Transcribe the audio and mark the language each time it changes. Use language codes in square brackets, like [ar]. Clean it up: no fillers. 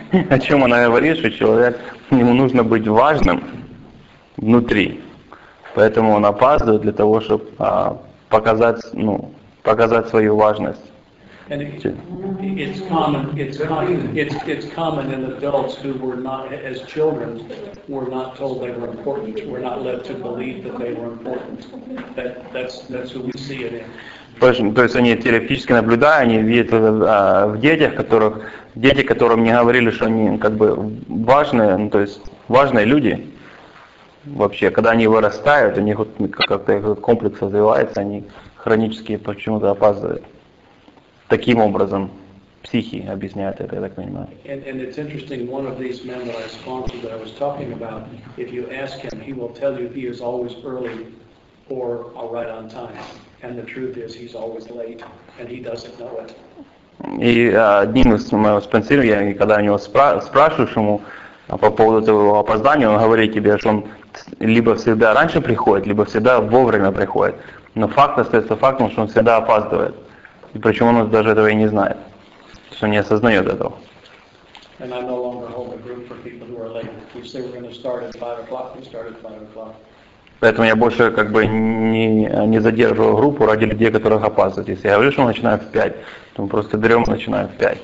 [ru] О чем она говорит, что человек, ему нужно быть важным внутри. Поэтому он опаздывает для того, чтобы показать свою важность. [en] And it's common in adults who were not, as children, were not told they were important, were not led to believe that they were important. That's who we see it in. [ru] То есть они терапевтически наблюдают, они видят это в детях, которым не говорили, что они как бы важные, ну, то есть важные люди вообще, когда они вырастают, у них вот как-то этот комплекс развивается, они хронически почему-то опаздывают. Таким образом, психи объясняют это, я так понимаю. [en] And it's interesting, one of these men that I sponsored that I was talking about, if you ask him, he will tell you he is always early or right on time. And the truth is, he's always late, and he doesn't know it. [ru] И одним из моего спонсора, я когда у него спрашиваю ему по поводу этого опоздания, он говорит тебе, что он либо всегда раньше приходит, либо всегда вовремя приходит. Но факт остается фактом, что он всегда опаздывает. И причем он даже этого и не знает, то есть он не осознает этого. [en] And I no longer hold a group for people who are late. We say we're going to start at 5 o'clock, we start at 5 o'clock. [ru] Поэтому я больше как бы не задерживаю группу ради людей, которые опаздывают. Если я говорю, что мы начинаем в 5, то мы просто берем и начинаем в